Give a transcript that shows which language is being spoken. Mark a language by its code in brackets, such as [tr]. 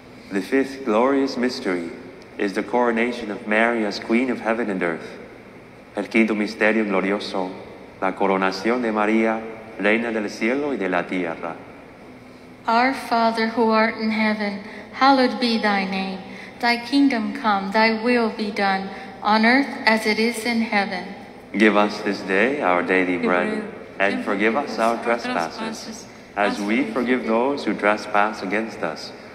[en] The fifth glorious mystery is the coronation of Mary as Queen of Heaven and Earth. [es] El quinto misterio glorioso, la coronación de María, Reina del Cielo y de la Tierra. [en] Our Father, who art in heaven, hallowed be thy name. Thy kingdom come, thy will be done, on earth as it is in heaven. Give us this day our daily bread, and forgive us our trespasses, as we forgive those who trespass against us.